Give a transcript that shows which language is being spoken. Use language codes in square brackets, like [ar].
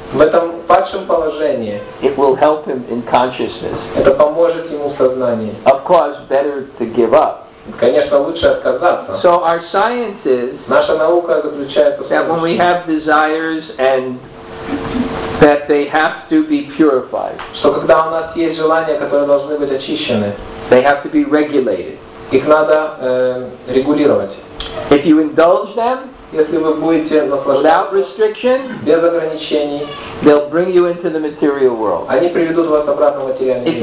[ru] в этом падшем положении, [en] it will help him in consciousness. [ru] Это поможет ему в сознании. [en] Of course, better to give up. [ru] Конечно, лучше отказаться. [en] So our science is, [ru] наша наука заключается в том, [en] that when we have desires and that they have to be purified. [ru] Что когда у нас есть желания, которые должны быть очищены, [en] they have to be regulated. [ru] Их надо регулировать. [en] If you indulge them, [ru] если вы будете наслаждаться без ограничений, [en] they'll bring you into the material world. [ru] Они приведут вас обратно в материальный мир.